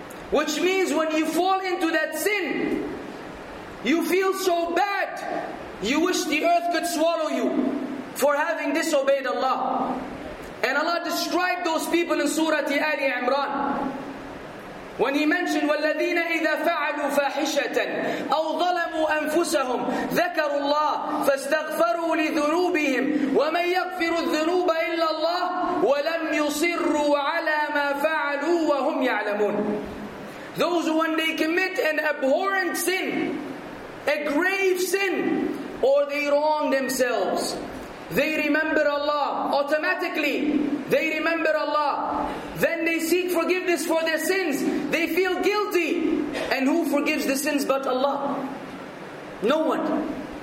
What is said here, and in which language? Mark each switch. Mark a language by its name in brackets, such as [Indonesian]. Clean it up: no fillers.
[English] Which means when you fall into that sin, you feel so bad, you wish the earth could swallow you for having disobeyed Allah. And Allah described those people in Surah Ali Imran. [Arabic] When he mentioned, وَالَّذِينَ إِذَا فَعَلُوا فَاحِشَةً أَوْ ظَلَمُوا أَنفُسَهُمْ ذَكَرُوا اللَّهِ فَاسْتَغْفَرُوا لِذُنُوبِهِمْ وَمَنْ يَغْفِرُ الذُّنُوبَ إِلَّا اللَّهِ وَلَمْ يُصِرُّوا عَلَى مَا فَعَلُوا وَهُمْ يَعْلَمُونَ. [English] Those who when they commit an abhorrent sin, a grave sin, or they wrong themselves, they remember Allah automatically. They remember Allah. Then they seek forgiveness for their sins. They feel guilty. And who forgives the sins but Allah? No one.